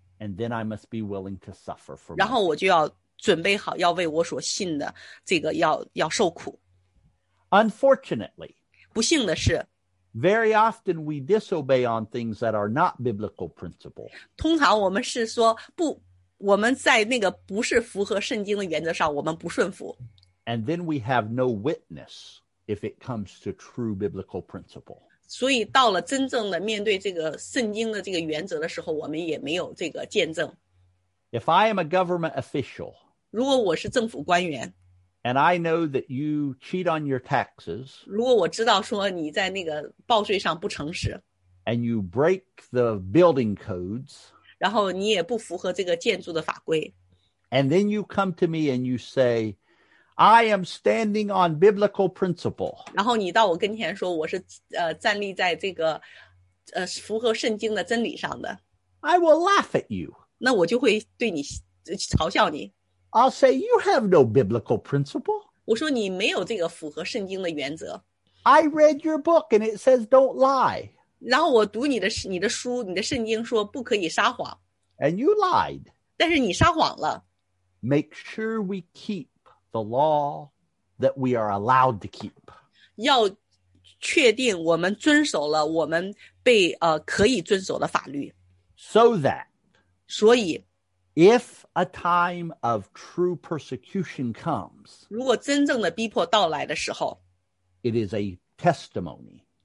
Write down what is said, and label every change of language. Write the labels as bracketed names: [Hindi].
[English] And then I must be willing to suffer for. [Chinese] 然后我就要准备好要为我所信的这个要受苦。 [English] Unfortunately, [Chinese] 不幸的是。 [English] Very often we disobey on things that are not biblical principle. [Chinese] 通常我们是说不，我们在那个不是符合圣经的原则上，我们不顺服。 [English] And then we have no witness if it comes to true biblical principle. [Chinese] 所以到了真正的面对这个圣经的这个原则的时候，我们也没有这个见证。 [English] If I am a government official, [Chinese] 如果我是政府官员。 [English] And I know that you cheat on your taxes. [Chinese] 如果我知道说你在那个报税上不诚实。 [English] And you break the building codes. [Chinese] 然后你也不符合这个建筑的法规。 [English] And then you come to me and you say, I am standing on biblical principle. [Chinese] 然后你到我跟前说我是站立在这个符合圣经的真理上的。 [English] I will laugh at you. [Chinese] 那我就会对你嘲笑你。 [English] I'll say, you have no biblical principle. [Chinese] 我说你没有这个符合圣经的原则。 [English] I read your book and it says don't lie. [Chinese] 然后我读你的书，你的圣经说不可以撒谎。 [English] And you lied. [Chinese] 但是你撒谎了。 [English] Make sure we keep the law that we are allowed to keep. [Chinese] 要确定我们遵守了我们被可以遵守的法律。 [English] So that. [Chinese] 所以。 [English] If a time of true persecution comes, [Chinese] 如果真正的逼迫到来的时候, [English] it is a testimony.